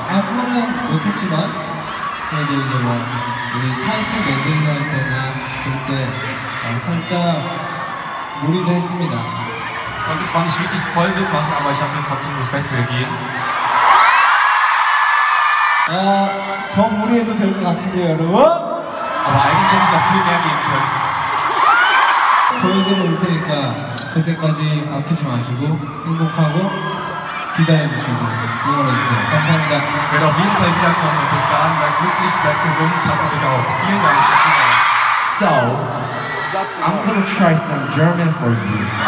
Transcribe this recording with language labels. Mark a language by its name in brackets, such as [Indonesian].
[German] Ich konnte zwar nicht richtig toll mitmachen, aber ich habe mir trotzdem das Beste gegeben. Aber eigentlich hätte ich noch viel mehr geben können. [Korean] 보여드려올 테니까 그때까지 아프지 마시고 행복하고 기다려주시고 응원해주세요. 감사합니다. [German] Ich werde auf jeden Fall wiederkommen. Bis dahin, seid glücklich, bleibt gesund, passt auf euch auf. Vielen Dank. [English] So, I'm gonna try some German for you.